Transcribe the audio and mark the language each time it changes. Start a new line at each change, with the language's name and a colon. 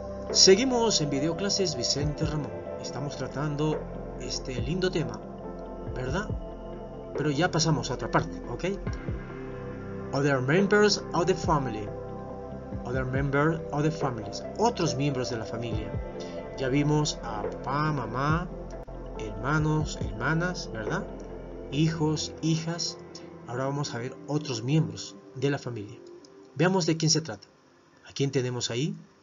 Spanish: Seguimos en videoclases Vicente Ramón. Estamos tratando este lindo tema, ¿verdad? Pero ya pasamos a otra parte, ¿ok?
English: Other members of the family. Other members of the families.
Spanish: Otros miembros de la familia. Ya vimos a papá, mamá, hermanos, hermanas, ¿verdad? Hijos, hijas. Ahora vamos a ver otros miembros de la familia. Veamos de quién se trata. ¿A quién tenemos ahí?